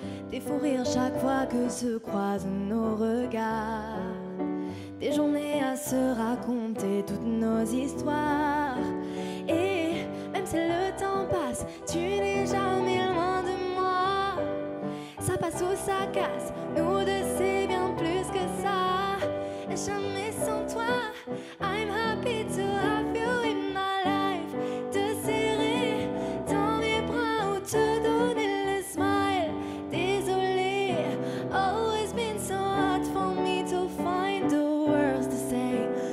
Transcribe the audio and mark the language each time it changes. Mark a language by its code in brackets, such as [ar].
[fr] Des fous rires chaque fois que se croisent nos regards. Des journées à se raconter toutes nos histoires. Et même si le temps passe, tu n'es jamais loin de moi. Ça passe ou ça casse, nous deux c'est bien plus que ça. Et jamais sans toi, [en] I'm happy to have you in my life. [fr] Te serrer dans mes bras ou te donner le smile. [en] Désolé, always been so hard for me to find the words to say.